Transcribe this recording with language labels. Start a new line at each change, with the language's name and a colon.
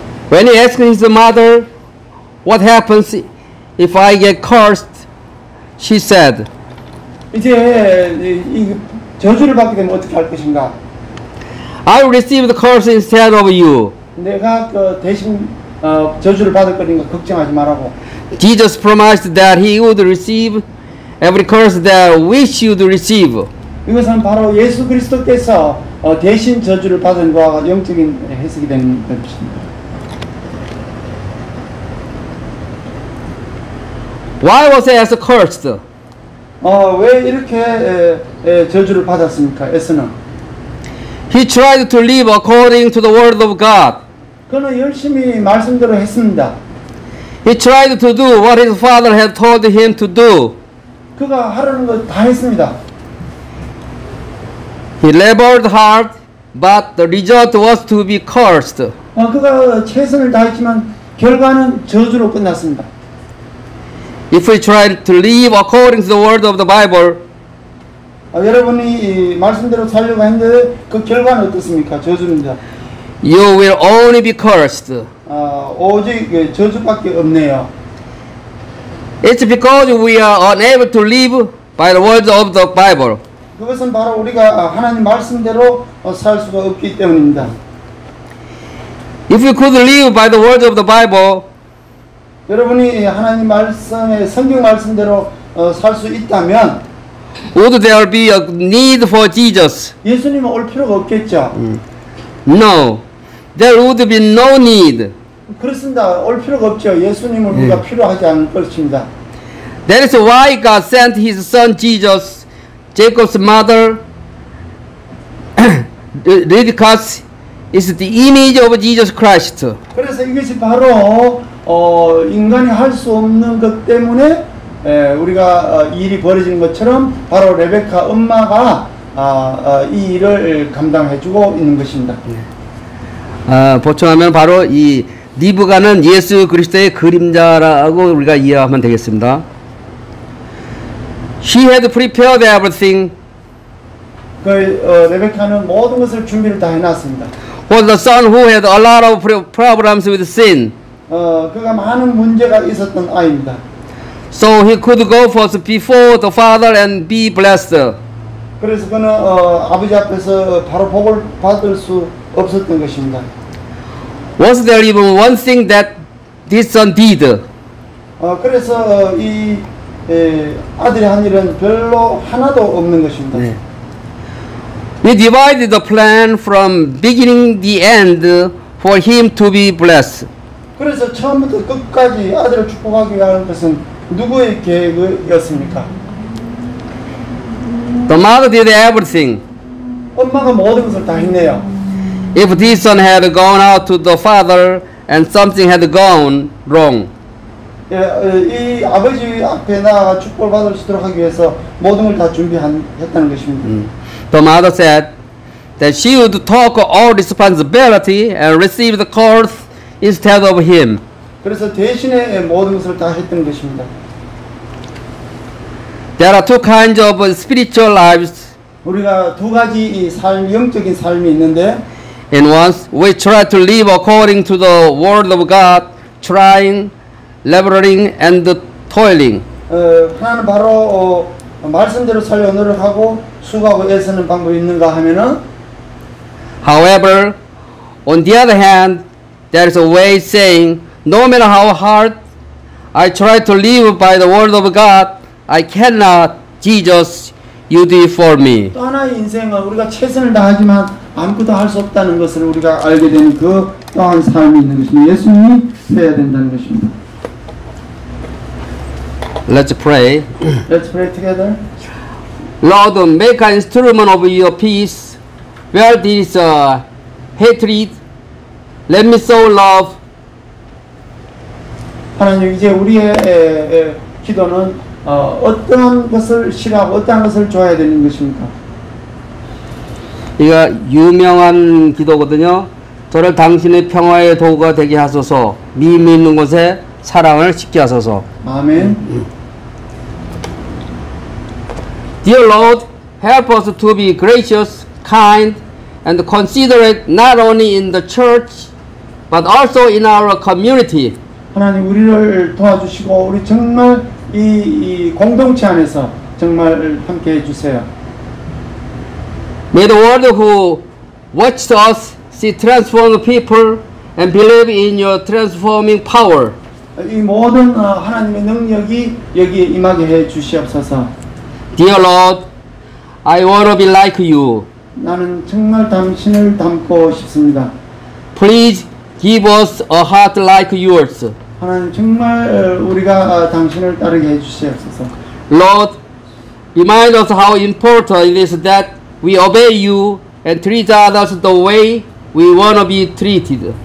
English: When he asked his mother, what happens if I get cursed? She said,
Korean: 이제 이 저주를 받게 되면 어떻게 할 것인가?
English: I will receive the curse instead of you.
Korean: 내가 대신 저주를 받을 거니까 걱정하지 말라고.
English: Jesus promised that he would receive every curse that we should receive.
Korean: 이것은 바로 예수 그리스도께서 대신 저주를 받은 것과 영적인 해석이 되는 것입니다.
English: Why was he as cursed?
Korean: 왜 이렇게 저주를 받았습니까? 에서는.
English: He tried to live according to the word of God.
Korean: 그는 열심히 말씀대로 했습니다.
English: He tried to do what his father had told him to do.
Korean: 그가 하려는 것 다 했습니다.
English: He labored hard, but the result was to be cursed.
Korean: 그가 최선을 다했지만 결과는 저주로 끝났습니다.
English: If we try to live according to the word of the Bible,
Korean: 여러분이 말씀대로 살려고 했는데 그 결과는 어떻습니까? 저주입니다.
English: You will only be cursed.
Korean: 오직 저주밖에 없네요.
English: It's because we are unable to live by the words of the Bible.
Korean: 그것은 바로 우리가 하나님 말씀대로 살 수가 없기 때문입니다.
English: If you could live by the words of the Bible,
Korean: 여러분이 하나님 말씀의 성경 말씀대로 살 수 있다면,
English: would there be a need for Jesus?
Korean: 예수님 올 필요가 없겠죠.
English: No, there would be no need.
Korean: 그렇습니다. 올 필요가 없죠. 예수님을 우리가 필요하지 않을 것입니다.
English: That is why God sent His Son Jesus, Jacob's mother, Rebecca's. Is the image of Jesus Christ.
Korean: 그래서 이것이 바로 인간이 할 수 없는 것 때문에 우리가 일이 벌어진 것처럼 바로 레베카 엄마가 이 일을 감당해주고 있는 것입니다. 보충하면 바로 이 리브가는 예수 그리스도의 그림자라고 우리가 이해하면 되겠습니다.
English: She had prepared everything.
Korean: 그 레베카는 모든 것을 준비를 다 해놨습니다.
English: For the son who had a lot of problems with sin.
Korean: 그가 많은 문제가 있었던 아이입니다.
English: So he could go first before the father and be blessed.
Korean: 그래서 그는 아버지 앞에서 바로 복을 받을 수 없었던 것입니다.
English: Was there even one thing that this son did?
Korean: 그래서 이 아들이 한 일은 별로 하나도 없는 것입니다. 네.
English: We divided the plan from beginning to end for him to be blessed.
Korean: 그래서 처음부터 끝까지 아들을 축복하기 위한 것은 누구의 계획이었습니까?
English: The mother did everything.
Korean: 엄마가 모든 것을 다 했네요.
English: If this son had gone out to the father and something had gone wrong.
Korean: 이 아버지 앞에 나가 축복을 받을 수 있도록 하기 위해서 모든 걸 다 준비했다는 것입니다.
English: The mother said that she would talk all responsibility and receive the curse instead of him.
Korean: 그래서 대신에 모든 것을 다 했던 것입니다.
English: There are two kinds of spiritual lives.
Korean: 우리가 두 가지 삶, 영적인 삶이 있는데.
English: In one, we try to live according to the word of God, trying, laboring, and toiling.
Korean: 하나는 바로 말씀대로 살려 노력하고 수고하고 애쓰는 방법이 있는가 하면은
English: However, on the other hand, there is a way saying no matter how hard I try to live by the word of God, I cannot Jesus you do it for me.
Korean: 또 하나의 인생은 우리가 최선을 다하지만 아무것도 할 수 없다는 것을 우리가 알게 되는 그 또한 삶이 있는 것입니다. 예수님이 해야 된다는 것입니다.
English: Let's pray. Let's pray together. Lord, make an instrument of your peace. Where there is hatred, let me sow love.
Korean: 하나님, 이제 우리의 기도는 어떤 것을 싫어하고 어떤 것을 좋아해야 되는 것입니까? 이거 유명한 기도거든요. 저를 당신의 평화의 도구가 되게 하소서. 믿음 있는 곳에 사랑을 짓게 하소서. 아멘.
English: Dear Lord, help us to be gracious, kind, and considerate not only in the church, but also in our community.
Korean: 하나님, 우리를 도와주시고 우리 정말 이 공동체 안에서 정말 함께해 주세요.
English: May the world who watches us see transformed people and believe in your transforming power.
Korean: 이 모든 하나님의 능력이 여기 임하게 해 주시옵소서.
English: Dear Lord, I want to be like you.
Korean: 나는 정말 당신을 닮고 싶습니다.
English: Please give us a heart like yours.
Korean: 하나님 정말 우리가 당신을 따르게 해주시옵소서.
English: Lord, remind us how important it is that we obey you and treat others the way we want to be treated.